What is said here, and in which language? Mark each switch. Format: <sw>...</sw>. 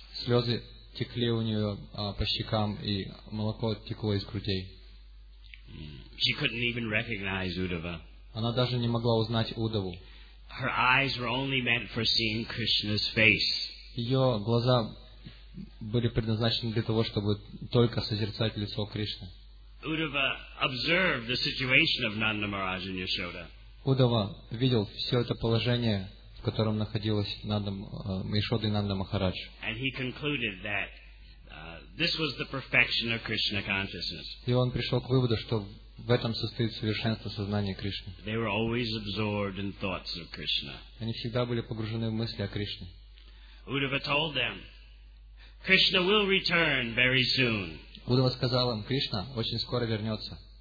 <ru>Слезы текли у нее по щекам и молоко текло из грудей.</ru> <en>She couldn't even recognize Uddhava.</en> <ru>Она даже не могла узнать Удаву.</ru> <en>Her eyes were only meant for seeing Krishna's face.</en> <ru>Ее глаза были предназначены для того, чтобы только созерцать лицо Кришны.</ru> <en>Uddhava observed the situation of Nanda Maharaj and Yashoda.</en> <ru>Удава видел все это положение, в котором находилась Нанда Яшода и Нанда Махарадж.</ru> <en>And he concluded that this was the perfection of Krishna consciousness.</en> <ru>И он пришел к выводу, что в этом состоит совершенство сознания Кришны.</ru> <en>They were always absorbed in thoughts of Krishna.</en> <ru>Они всегда были погружены в мысли о Кришне.</ru> <en>Uddhava told them, Krishna will return very soon.</en> <ru>Удава сказал им, Кришна очень скоро вернется.</ru>